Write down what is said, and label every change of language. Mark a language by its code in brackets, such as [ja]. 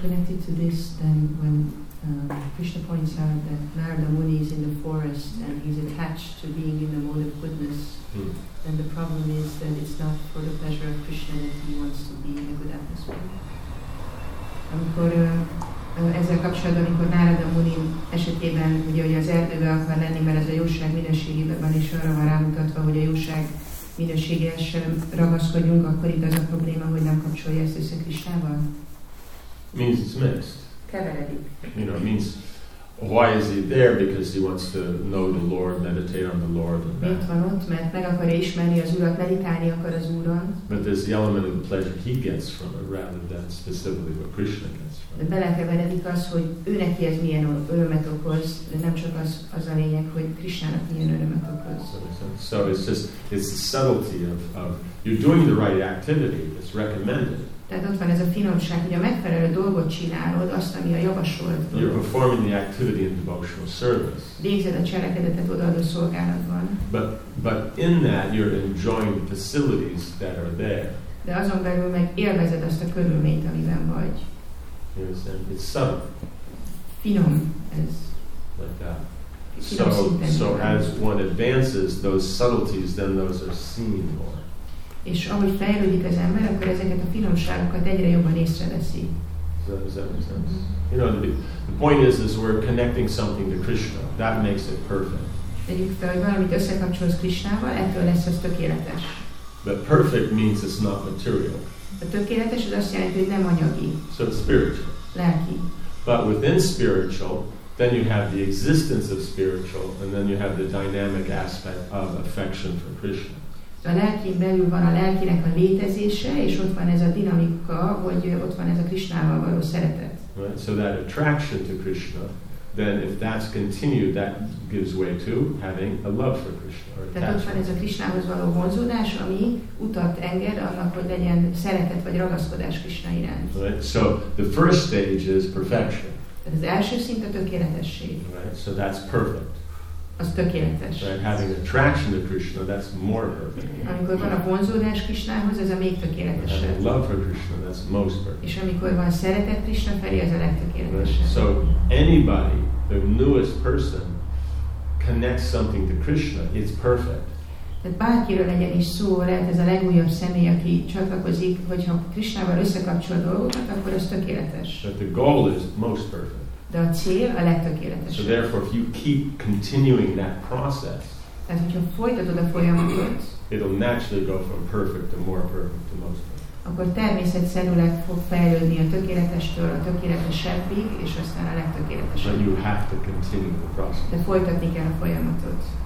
[en] Connected to this, then, when Krishna points out that Narada Muni is in the forest and he's attached to being in the mode of goodness, then the problem is that it's not for the pleasure of Krishna that he wants to be in a good atmosphere. [hu] Amikor ezzel kapcsolatban, amikor Narada Muni esetében, ugye, hogy az erdőbe akar lenni, mert ez a jóság minőségében van, és arra van rámutatva, hogy a jóság minőségével sem ragaszkodjunk, akkor itt az a probléma, hogy nem kapcsolja ezt össze Krisnával? [en] Means it's mixed. [hu] Keveredik. [en] You know, means, why is he there? Because he wants to know the Lord, meditate on the Lord. [hu] Mint van ott, mert meg akarja ismerni az Urat, meditálni akar az Úron. [en] But there's the element of the pleasure he gets from it, rather than specifically what Krishna gets. [hu] De belekeveredik az, hogy ő neki ez milyen örömet okoz, de nem csak az a lényeg, hogy Krisnának milyen örömet okoz. [en] So it's just, it's the subtlety of you're doing the right activity, it's recommended. [hu] Tehát ott van ez a finomság, hogy a megfelelő dolgot csinálod, azt, ami a javasolt. [en] You're performing the activity in devotional service. [hu] Végzed a cselekedetet odaadó szolgálatban. [en] But in that you're enjoying the facilities that are there. [hu] De azon belül meg élvezed azt a körülményt, amiben vagy. [en] You understand? It's subtle. [hu] Finom ez. [en] Like that. So as one advances those subtleties, then those are seen more. [hu] És ahogy fejlődik az ember, akkor ezeket a finomságokat egyre jobban észreveszi. [en] You know, the point is we're connecting something to Krishna. That makes it perfect. [hu] Tegyük fel, hogy valamit összekapcsolsz Krishnával, ettől lesz az tökéletes. [en] But perfect means it's not material. [hu] A tökéletes az azt jelenti, hogy nem anyagi. [en] So it's spiritual. [hu] Lelki. [en] But within spiritual, then you have the existence of spiritual, and then you have the dynamic aspect of affection for Krishna. [hu] A lelkén belül van a lelkinek a létezése, és ott van ez a dinamika, hogy ott van ez a Krishnával való szeretet. [en] Right? So that attraction to Krishna, then if that's continued, that gives way to having a love for Krishna. [hu] Tehát ott van ez a Krishnához való vonzódás, ami utat enged annak, hogy legyen szeretet vagy ragaszkodás Krishna iránt. [en] Right? So the first stage is perfection. [hu] Tehát az első szint a tökéletesség. [en] Right? So that's perfect. [hu] Az tökéletes. [en] Right? Having attraction to Krishna, that's more perfect. [hu] Amikor van a vonzódás Krishnához, ez a még tökéletesebb. [en] Having love for Krishna, that's most perfect. [hu] És amikor van szeretet Krishna felé, az a legtökéletesebb. [en] Right? So anybody, the newest person, connects something to Krishna, it's perfect. [hu] Tehát bárkiről legyen is szó, lehet ez a legújabb személy, aki csatlakozik, hogyha Krishnával összekapcsol dolgokat, akkor az tökéletes. [en] But the goal is most perfect. [hu] De a cél a legtökéletesebb. [en] So therefore, if you keep continuing that process, [hu] tehát hogyha folytatod a folyamatot, [en] it'll naturally go from perfect to more perfect to most perfect. [hu] Akkor természetszerűleg fog fejlődni a tökéletestől a tökéletesebbig, és aztán a legtökéletesebbig. [en] But you have to continue the process. [hu] De folytatni kell a folyamatot.